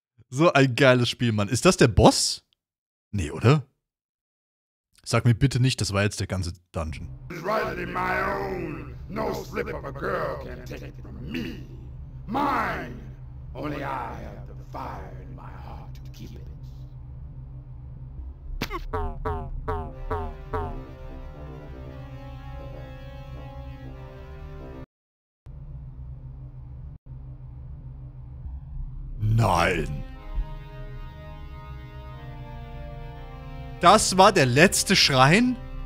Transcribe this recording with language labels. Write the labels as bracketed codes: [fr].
[de] So ein geiles Spiel, Mann. Ist das der Boss? Nee, oder? Sag mir bitte nicht, das war jetzt der ganze Dungeon. [en] Rightly my own. No slip of a girl can take it from me. Mine. Only I have the fire in my heart to keep it. [de] Nein. Das war der letzte Schrein?